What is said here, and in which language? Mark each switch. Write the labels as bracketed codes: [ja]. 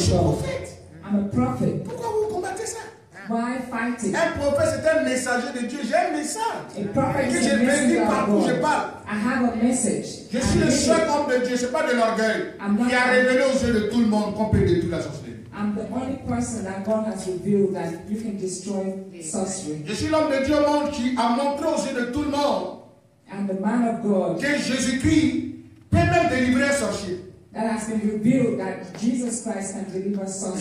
[fr] Je suis prophète. [en] I'm a prophet. [fr] Pourquoi vous combattez ça? [en] Why fighting? [fr] Un prophète, c'est un messager de Dieu. J'ai un message. [en] A prophet is a messenger of God. [fr] Je parle. [en] I have a message. [fr] Je suis le seul homme de Dieu. Ce n'est pas de l'orgueil. Qui a révélé aux yeux de tout le monde qu'on peut détruire la sorcellerie. [en] I'm the only person that God has revealed that you can destroy sorcery. [fr] Je suis l'homme de Dieu monde qui a montré aux yeux de tout le monde. [en] I'm the man of God. [fr] Que Jésus-Christ peut même délivrer sorcier. [en] That has been revealed that Jesus Christ can deliver sorcery.